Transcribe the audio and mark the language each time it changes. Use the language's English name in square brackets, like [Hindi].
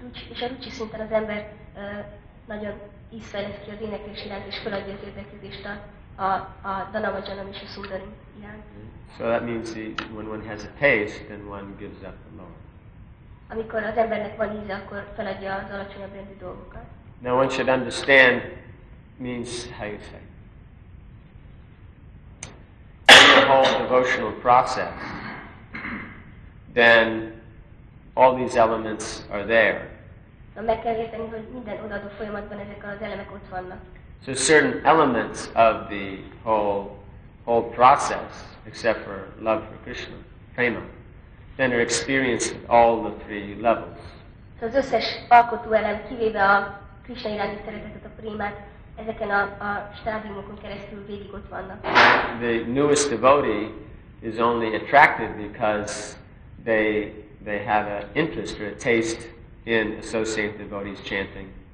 [Hungarian] És a ruchi szinten az ember nagyon ízt fejleszt ki az éneklés iránt, és feladja az érdeklődést a dhanavajanam és a szundarim iránt. [English] So that means when one has a taste, then one gives up the lower. [Hungarian] Amikor az embernek van íze, akkor feladja az alacsonyabb rendű dolgokat. [English] Now one should understand means how you say. In the whole devotional process, then all these elements are there. [Hungarian] Na meg kell érteni, hogy minden odaadó folyamatban ezek az elemek ott vannak. [English] So certain elements of the whole process, except for love for Krishna, prema, then are experienced at all the three levels. [Hungarian] So az összes alkotó elem, kivéve a Krishna iránti szeretetet, a prémát, ezeken a stádiumokon keresztül végig ott vannak. [English] The newest devotee is only attracted because they have an interest or a taste in associated devotees chanting.